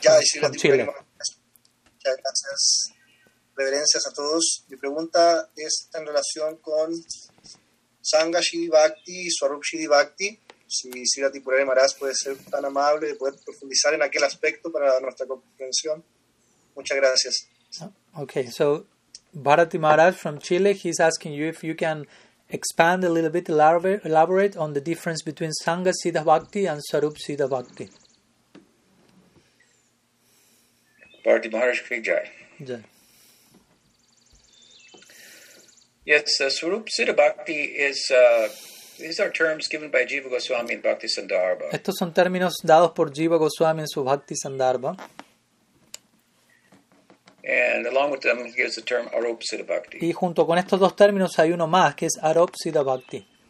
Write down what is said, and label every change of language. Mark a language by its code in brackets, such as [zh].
[es] con Chile. Muchas gracias. Reverencias a todos. Mi pregunta es en relación con Sangha Shri Bhakti y Swarup Shri Bhakti. Si Sirati Purari Maharaj puede ser tan amable de poder profundizar en aquel aspecto para nuestra comprensión. Muchas gracias. [en] Okay, so Bharati Maharaj from Chile, he's asking you if you can expand a little bit, elaborate on the difference between Sangha Siddha Bhakti and Swarup Siddha Bhakti. [hi] Bharati Maharaj Ki Jai. Jai. [en] Yes, Swarup Siddha Bhakti is, these are terms given by Jiva Goswami in Bhakti Sandarbha. [es] Estos son términos dados por Jiva Goswami en su Bhakti Sandarbha. [en] And along with them, he gives the term Arup Siddha Bhakti. [es] Y junto con estos dos términos hay uno más, que es Arup Siddha Bhakti.